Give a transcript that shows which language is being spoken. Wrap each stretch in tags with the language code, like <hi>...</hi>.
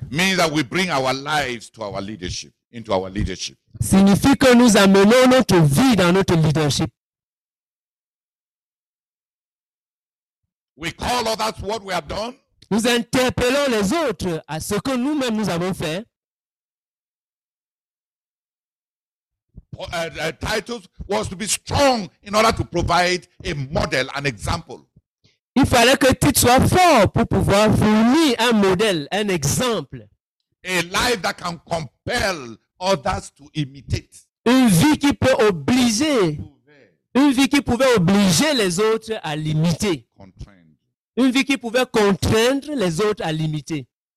<en>means that we bring our lives to our leadership, into our leadership.</en> <fr>Signifie que nous amenons notre vie dans notre leadership.</fr> <en>We call others what we have done.</en> <fr>Nous interpellons les autres à ce que nous-mêmes nous avons fait.</fr> <en>Titus was to be strong in order to provide a model, an example.</en> <fr>Il fallait que Tite soit fort pour pouvoir fournir un modèle, un exemple.</fr> <en>A life that can compel others to imitate.</en> <fr>Une vie qui peut obliger. Une vie qui pouvait obliger les autres à l'imiter. Une vie qui pouvait contraindre les autres à l'imiter.</fr>